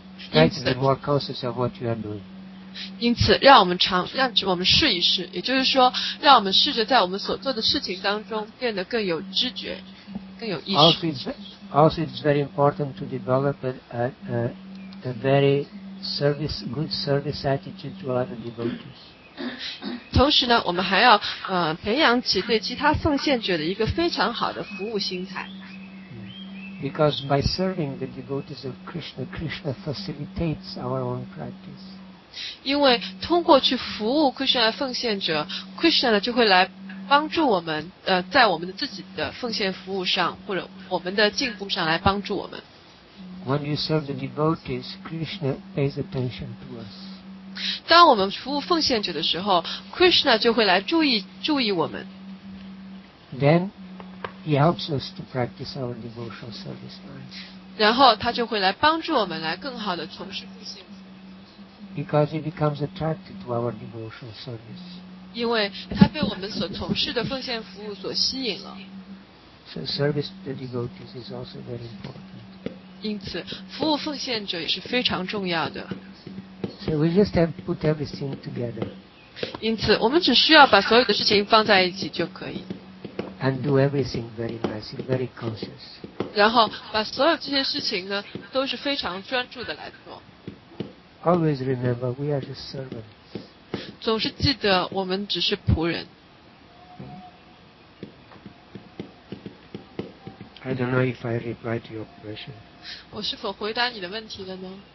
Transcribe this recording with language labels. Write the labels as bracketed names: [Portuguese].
[English] Try to be more conscious of what you are doing. [Chinese] 因此让我们试一试，也就是说让我们试着在我们所做的事情当中变得更有知觉更有意识。 [English] Also it's very important to develop a very good service attitude to other devotees. [Chinese] 同时呢，我们还要培养起对其他奉献者的一个非常好的服务心态。 [English] Because by serving the devotees of Krishna, Krishna facilitates our own practice. [Chinese] 因为通过去服务 Krishna 奉献者 ，Krishna 呢就会来帮助我们在我们的自己的奉献服务上或者我们的进步上来帮助我们。 [English] When you serve the devotees, Krishna pays attention to us. [Chinese] 当我们服务奉献者的时候 ，Krishna 就会来注意我们。 [English] Then he helps us to practice our devotional service lines. [Chinese] 然后他就会来帮助我们来更好的从事复兴。 [English] Because he becomes attracted to our devotional service. [Chinese] 因为他被我们所从事的奉献服务所吸引了。 [English] So service to devotees is also very important. [Chinese] 因此，服务奉献者也是非常重要的。 [English] So we just have to put everything together. [Chinese] 因此，我们只需要把所有的事情放在一起就可以。 [English] And do everything very nicely, very conscious. [Chinese] 然后把所有这些事情呢，都是非常专注的来做。 [English] Always remember, we are just servants. [Chinese] 总是记得我们只是仆人。 [English] I don't know if I replied to your question. [Chinese] 我是否回答你的问题了呢？